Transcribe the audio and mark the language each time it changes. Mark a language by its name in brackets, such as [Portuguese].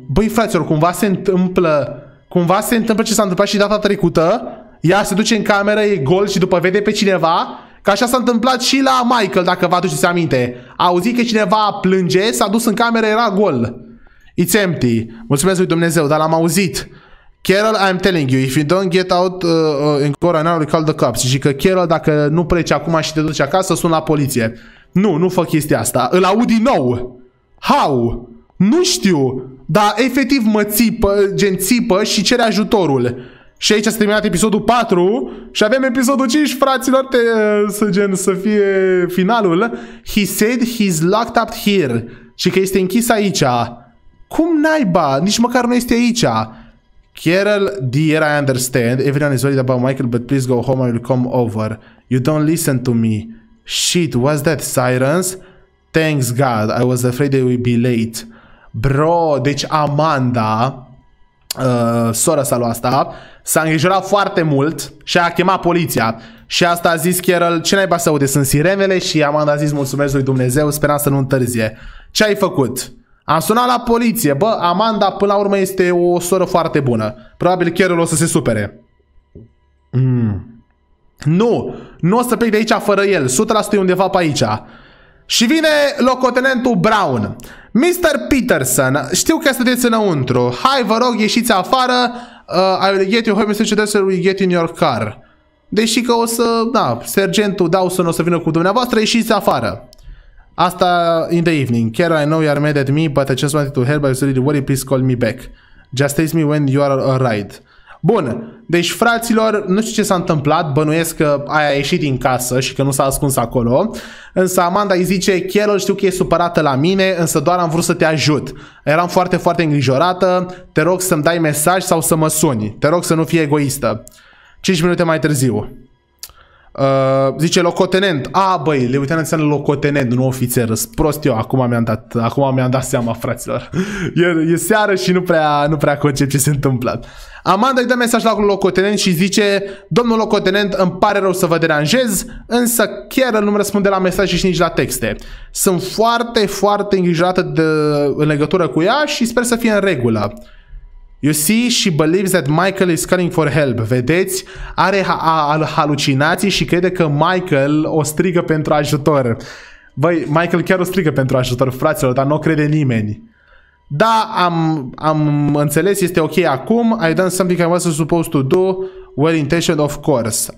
[Romanian] Băi, fraților, cumva se întâmplă ce s-a întâmplat și data trecută. Ea se duce în cameră, e gol și după vede pe cineva. Că așa s-a întâmplat și la Michael, dacă vă aduceți aminte. A auzit că cineva plânge, s-a dus în cameră, era gol. [English] It's empty. [Romanian] Mulțumesc lui Dumnezeu, dar l-am auzit. [English] Carol, I'm telling you, if you don't get out in corona, I'll call the cops. [Romanian] Și că Carol, dacă nu pleci acum și te duci acasă, sun la poliție. Nu, nu fă chestia asta. Îl aud din nou. [English] How? [Romanian] Nu știu, dar efectiv mă țipă, gen țipă și cere ajutorul. Și aici s-a terminat episodul 4 și avem episodul 5, fraților, să fie finalul. [English] He said he's locked up here. [Romanian] Și că este închis aici. Cum naiba? Nici măcar nu este aici. Carol, [English] dear, I understand. Everyone is worried about Michael, but please go home, I will come over. You don't listen to me. Shit, what's that, sirens? Thanks God, I was afraid they would be late. [Romanian] Bro, deci Amanda, sora sa lui asta, s-a îngrijorat foarte mult și a chemat poliția. Și asta a zis Carol, ce naiba să aude, sunt sirenele? Și Amanda a zis, mulțumesc lui Dumnezeu, speram să nu întârzie. Ce ai făcut? Am sunat la poliție. Bă, Amanda până la urmă este o soră foarte bună. Probabil Carol o să se supere. Nu, nu o să plec de aici fără el. 100% e undeva pe aici. Și vine locotenentul Brown. Mr. Peterson, știu că sunteți înăuntru. Hai, vă rog, ieșiți afară. [English] I will get you home, [Romanian] Mr. Peterson, [English] we get in your car. [Romanian] Deși că o să, da, sergentul Dawson o să vină cu dumneavoastră, ieșiți afară. [English] Asta in the evening. Carol, I know you are mad at me, but I just wanted to help. I was really worried, please call me back. Just text me when you are arrived. [Romanian] Bun, deci fraților, nu știu ce s-a întâmplat, bănuiesc că aia a ieșit din casă și că nu s-a ascuns acolo. Însă Amanda îi zice, Carol, știu că e supărată la mine, însă doar am vrut să te ajut. Eram foarte, foarte îngrijorată, te rog să-mi dai mesaj sau să mă suni. Te rog să nu fii egoistă. 5 minute mai târziu. Zice locotenent. A, băi, le uitam înseamnă locotenent, nu ofițer. Prost eu, acum mi-am dat seama, fraților. E seară și nu prea concep ce se întâmplă. Amanda îi dă mesaj la locotenent și zice: domnul locotenent, îmi pare rău să vă deranjez, însă chiar nu-mi răspunde la mesaje și nici la texte. Sunt foarte, foarte îngrijorată în legătură cu ea și sper să fie în regulă. [English] You see, she believes that Michael is calling for help. [Romanian] Vedeți? Are halucinații și crede că Michael o strigă pentru ajutor. Băi, Michael chiar o strigă pentru ajutor, fraților, dar nu crede nimeni. Da, am înțeles, este ok acum. [English] I done something I wasn't supposed to do. Well intentioned, of course.